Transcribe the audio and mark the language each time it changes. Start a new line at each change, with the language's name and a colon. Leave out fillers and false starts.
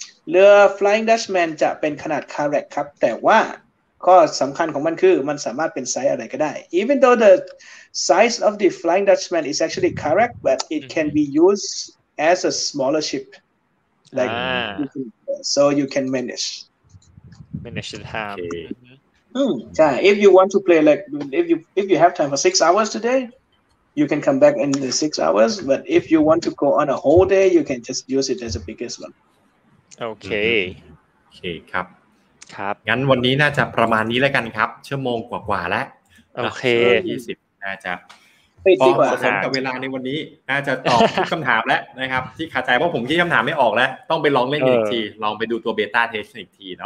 Thai: เรือ Flying Dutchman จะเป็นขนาดคาแรกครับแต่ว่าข้อสำคัญของมันคือมันสามารถเป็นไซส์อะไรก็ได้
English: even though the size of the Flying Dutchman is actually correct but it can be used as a smaller ship like so you can manage the time okay. If you want to play like if you have time for 6 hours today you can come back in the 6 hours but if you want to go on a whole day you can just use it as a biggest one okay
Thai: ครับ ครับ งั้นวันนี้น่าจะประมาณนี้แล้วกันครับชั่วโมงกว่าๆแล้ว โอเค 20น่าจะพอสมกับเวลาในวันนี้น่าจะตอบทุกคำถามแล้วนะครับที่ขาดใจเพราะผมคิดคำถามไม่ออกแล้วต้องไปลองเล่นอีกทีลองไปดูตัวเบต้าเทสอีกทีเน